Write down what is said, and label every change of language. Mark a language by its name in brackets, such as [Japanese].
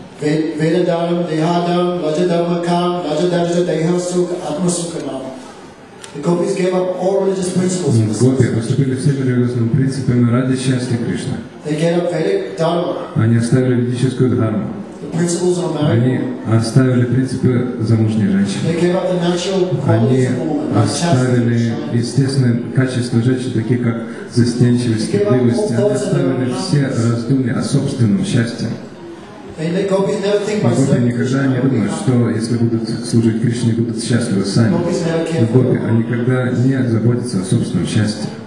[Sanskrit] Ведадам, Дехадам, Раджадам, Акам, Раджадам, Дехасук, Атмасуканам. [English] The gopis gave up all religious principles. [Russian] Гопи поступили всеми религиозными принципами ради счастья Кришны. [English] They gave up Vedic Dharma. [Russian] Они оставили ведическую дхарму. [English] The principles of marriage. [Russian] Они оставили принципы замужней женщины. [English] They gave up the natural qualities of woman. [Russian] Они оставили естественные качества женщины, такие как застенчивость, стыдливость. Они оставили все раздумья о собственном счастье. Гопи никогда не думают, что если будут служить Кришне, будут счастливы сами. Гопи никогда не заботятся о собственном счастье.